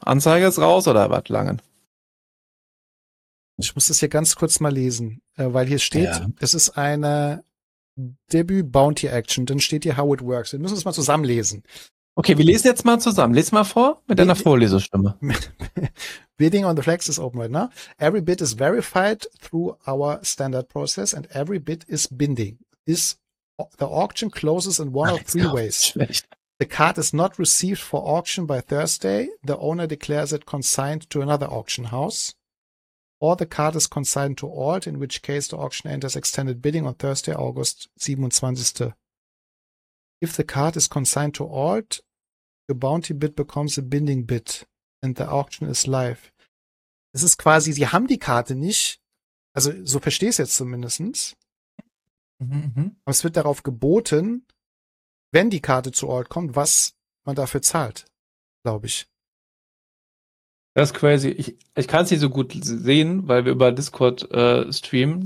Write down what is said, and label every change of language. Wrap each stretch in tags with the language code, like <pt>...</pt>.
<de>Anzeige ist raus oder was langen? Ich muss das hier ganz kurz mal lesen, weil hier steht, es ist eine Debut Bounty Action. Dann steht hier,</de> <en>how it works.</en> <de>Wir müssen es mal zusammenlesen. Okay, wir lesen jetzt mal zusammen. Lies mal vor mit deiner Vorlesestimme.</de> <en>Bidding on the flags is open right now. Every bid is verified through our standard process and every bid is binding. Is the auction closes in one of three ways.</en> <de>Schlecht.</de> <en>The card is not received for auction by Thursday. The owner declares it consigned to another auction house. Or the card is consigned to Alt, in which case the auction enters extended bidding on Thursday, August 27. If the card is consigned to Alt, the bounty bid becomes a binding bid and the auction is live.</en> <de>Es ist quasi, sie haben die Karte nicht. Also, so verstehe ich es jetzt zumindest. Aber es wird darauf geboten, wenn die Karte zu Alt kommt, was man dafür zahlt, glaube ich. Das ist crazy. Ich kann es nicht so gut sehen, weil wir über Discord streamen.</de>